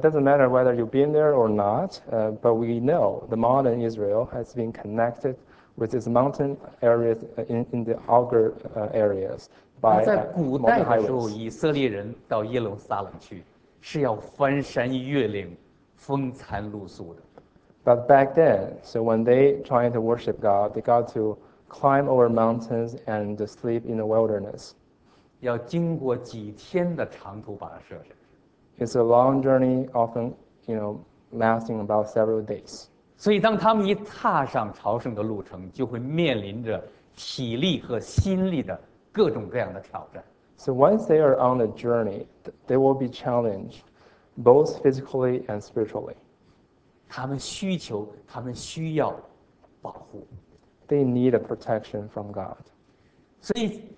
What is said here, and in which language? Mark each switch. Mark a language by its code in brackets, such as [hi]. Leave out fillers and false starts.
[en] doesn't matter whether you've been there or not, but we know the modern Israel has been connected with its mountain areas in the outer areas by modern highways. [zh] 那在古代的时候，以色列人到耶路撒冷去是要翻山越岭、风餐露宿的。 [en] But back then, so when they tried to worship God, they got to climb over mountains and sleep in the wilderness. It's a long journey, often, you know, lasting about several days. [zh] 所以当他们一踏上朝圣的路程，就会面临着体力和心力的各种各样的挑战。 [en] So once they are on the journey, they will be challenged, both physically and spiritually. [zh] 他们需要保护。 [en] They need a protection from God.